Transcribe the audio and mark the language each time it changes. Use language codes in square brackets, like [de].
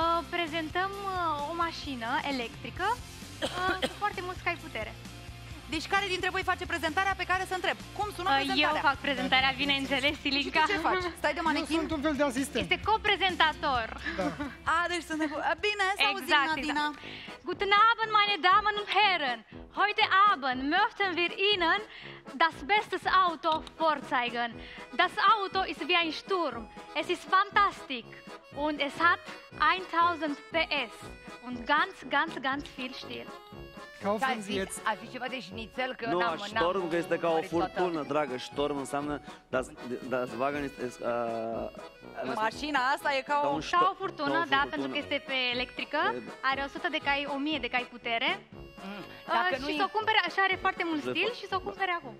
[ro] Prezentăm o mașină electrică cu foarte mult cai putere. Deci care dintre voi face prezentarea pe care să întreb? Cum sună prezentarea? Eu fac prezentarea, bineînțeles, Silica. Și tu ce faci? Stai de manechin? Eu sunt un fel de asistent. Este coprezentator. Da. A, deci sunt... Bine, să auzim, exact, Nadina. Exact. [de] Guten Abend, meine Damen und Herren. Heute Abend möchten wir Ihnen das beste Auto vorzeigen. Das Auto ist wie ein Sturm. Es ist fantastisch. Und es hat 1000 PS. Und ganz, ganz, ganz viel Stil. Kaufen Sie jetzt. [ro] A fi ceva de șnițel, că nu, n-am, Sturm n-am, este ca o furtună, dragă. Sturm înseamnă... [de] Das Wagen ist, [ro] mașina asta e ca o... Ca o furtună, da, furtună, pentru că este pe electrică. Are 100 de cai, 1000 de cai putere. Dacă și s-o cumpere, așa are foarte mult stil și s-o cumpere acum.